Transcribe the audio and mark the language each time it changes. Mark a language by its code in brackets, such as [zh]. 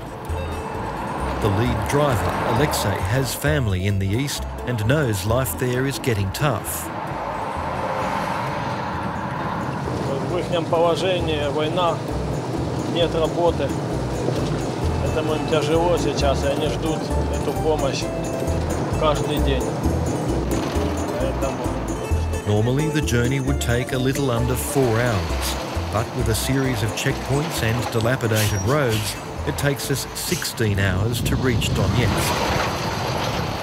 [en] The lead driver, Alexei, has family in the east and knows life there is getting tough. [ru] В ихнем положении война, нет работы. Поэтому им тяжело сейчас, и они ждут эту помощь каждый день. [en] Normally the journey would take a little under 4 hours, but with a series of checkpoints and dilapidated roads, it takes us 16 hours to reach Donetsk.